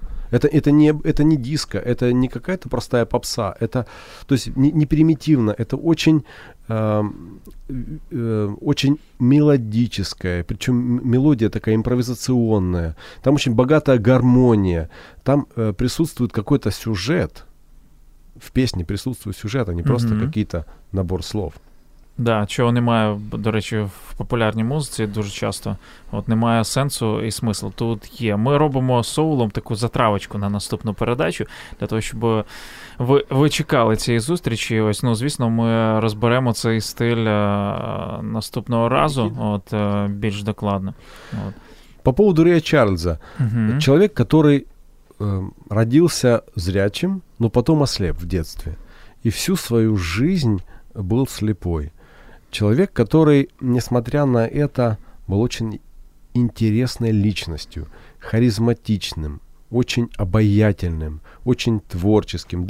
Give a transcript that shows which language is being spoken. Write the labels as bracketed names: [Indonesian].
[Russian] Это не диско, это не какая-то простая попса, это, то есть, не примитивно, это очень мелодическая, причем мелодия такая импровизационная, там очень богатая гармония, там присутствует какой-то сюжет. В песне присутствует сюжет, а не просто какие-то набор слов. [Ukrainian] Да, чого немає, до речі, в популярній музиці дуже часто. От немає сенсу і смислу. Тут є. Ми робимо соулом таку затравочку на наступну передачу, для того, щоб ви чекали цієї зустрічі. Ось, ну, звісно, ми розберемо цей стиль наступного разу, от, більш докладно. От. [Russian] По поводу Рея Чарльза. Угу. Чоловік, який родился зрячим, но потом ослеп в детстве. И всю свою жизнь был слепой. Человек, который, несмотря на это, был очень интересной личностью, харизматичным, очень обаятельным, очень творческим.